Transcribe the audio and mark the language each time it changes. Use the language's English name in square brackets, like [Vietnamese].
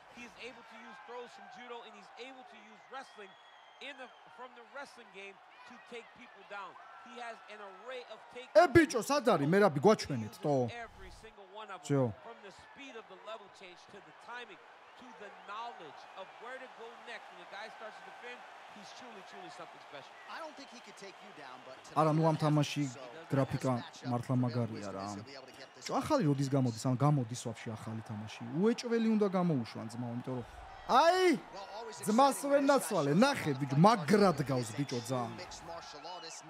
[English] He is able to use throws from judo and he's able to use wrestling in the from the wrestling game to take people down. He has an array of takedowns. [Georgian] Ე ბიჭო, სად არის მერაბი, გვაჩვენეთ, ტო. ჩო. [English] From the speed of the level change to the timing to the knowledge of where to go next when the guy starts to defend, he's truly truly something special. I don't think he could take you down, but [Georgian] არა, ნუ ამ თამაში გრაფიკა მართლა მაგარია რა. ჩო, ახალი როდის გამოდის? ან გამოდის ვაფშე ახალი თამაში? უეჭველი უნდა გამოუშვან ძმაო, იმიტომ რომ აი! ძმასვენაცვალე, ნახე ბიჭო, მაგრად გავს ბიჭო ძალიან.